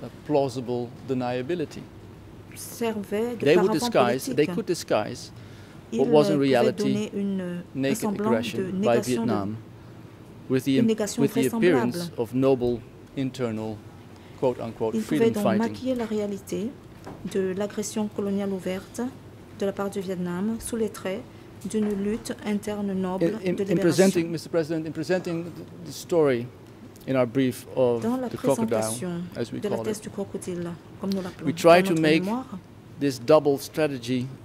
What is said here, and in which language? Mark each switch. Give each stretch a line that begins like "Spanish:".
English: a plausible deniability. They could disguise what was in reality naked aggression by Vietnam with the appearance of noble internal quote-unquote freedom fighting.
French: Il pouvait donc maquiller la réalité de l'agression coloniale ouverte de la part du Vietnam sous les traits d'une lutte interne noble de libération.
English: In presenting, Mr. President, in presenting the story in our brief of the crocodile, as we call it, we try to make this double strategy